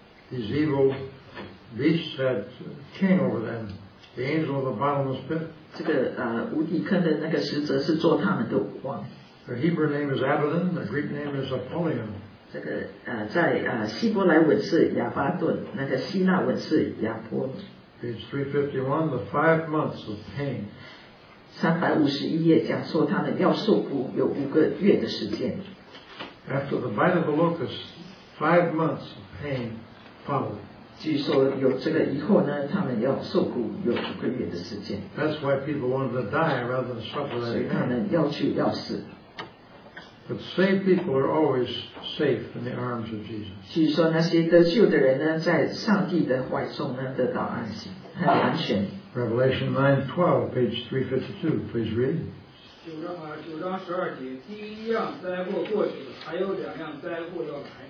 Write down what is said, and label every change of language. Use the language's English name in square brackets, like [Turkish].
[English] These evil beasts had king over them, the angel of the bottomless pit. [Chinese] 这个无底坑的那个使者是做他们的王。 [English] Their Hebrew name is Abaddon, their Greek name is Apollyon. [Chinese] 这个在希伯来文是亚巴顿，那个希腊文是亚波。 [English] Page 351, the 5 months of pain. [Chinese] 351页讲说他们要受苦有五个月的时间。 [English] After the bite of the locust, 5 months of pain. [Chinese] 据说有这个以后呢，他们要受苦有五个月的时间。 [English] That's why people wanted to die rather than suffer. [Chinese] 所以他们要去要死。 [English] But saved people are always safe in the arms of Jesus. [Chinese] 据说那些得救的人呢，在上帝的怀中呢得到安息，很安全。 [English] Revelation 9:12, page 352, please read. [Chinese] 九章十二节，第一样灾祸过去了，还有两样灾祸要来。